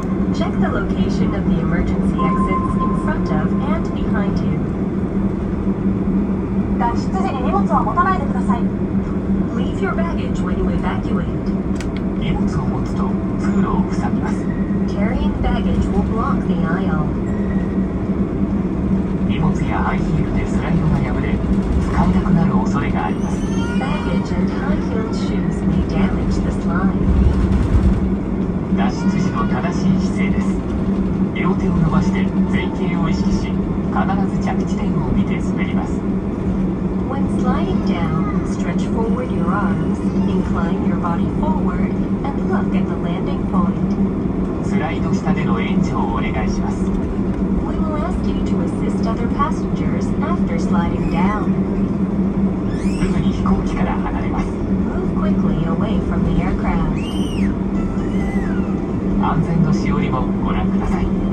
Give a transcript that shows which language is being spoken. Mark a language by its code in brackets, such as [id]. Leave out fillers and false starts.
[en] Check the location of the emergency exits in front of and behind you. [ja] 脱出時に荷物は持たないでください。 [en] Leave your baggage when you evacuate. [ja] 荷物を持つと通路を塞ぎます。 [en] Carrying baggage will block the aisle. [ja] 荷物やハイヒールでスライドが破れ、使えなくなる恐れがあります。 [en] Baggage and high-heeled shoes may damage the slide. [ja] 脱出時の正しい姿勢です。両手を伸ばして前傾を意識し、必ず着地点を見て滑ります。 [en] When sliding down, stretch forward your arms, incline your body forward, and look at the landing point. [ja] スライド下での援助をお願いします。 [en] We will ask you to assist other passengers after sliding down. [ja] すぐに飛行機から離れます。 [en] Move quickly away from the aircraft. [ja] 安全のしおりもご覧ください。